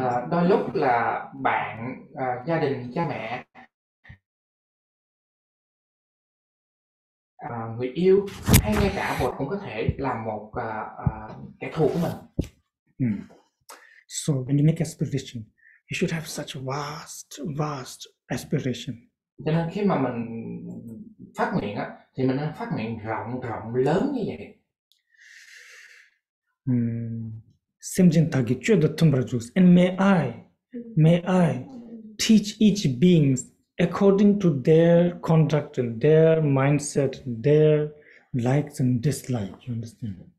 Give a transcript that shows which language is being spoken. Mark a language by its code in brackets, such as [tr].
[vi] Đôi lúc là bạn, gia đình, cha mẹ, người yêu, hay ngay cả Bồ cũng có thể là một kẻ thù của mình. [en] enemy. So when you make aspiration, you should have such vast, vast aspiration. [vi] Cho nên khi mà mình phát nguyện á, thì mình nên phát nguyện rộng rộng lớn như vậy. [en] Simjin tagi chue do tumra jus and may I teach each beings according to their conduct and their mindset and their likes and dislikes, you understand?